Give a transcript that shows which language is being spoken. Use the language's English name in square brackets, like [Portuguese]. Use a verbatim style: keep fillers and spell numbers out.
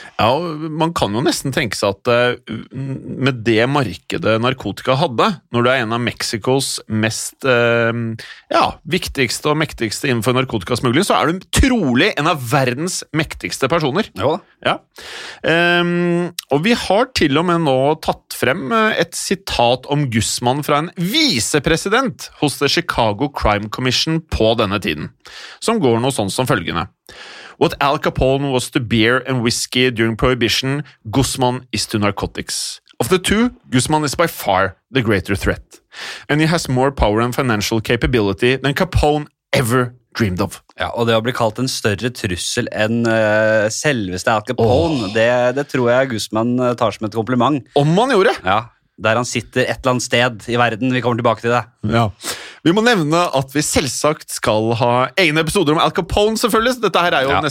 [Norwegian] Ja, man kan jo nesten tenke seg at med det markedet narkotika hadde, når du er en av Mexikos mest eh, ja, viktigste og mektigste innenfor narkotikasmugling, så er du trolig en av verdens mektigste personer. Jo. Ja. Um, og vi har til og med nå tatt frem et sitat om Guzman fra en visepresident hos The Chicago Crime Commission på denne tiden, som går noe sånn som følgende. [English] What Al Capone was to beer and whiskey during Prohibition, Guzman is to narcotics. Of the two, Guzman is by far the greater threat. And he has more power and financial capability than Capone ever dreamed of. [Norwegian] Ja, og det å bli kalt en større trussel enn uh, selveste Al Capone, oh. det, det tror jeg Guzman tar som et kompliment. Om han gjorde! Ja, der han sitter et eller annet sted i verden. Vi kommer tilbake til det. Ja. Vi må nevne at vi selvsagt skal ha egne episoder om Al Capone, selvfølgelig. Dette her er jo ja.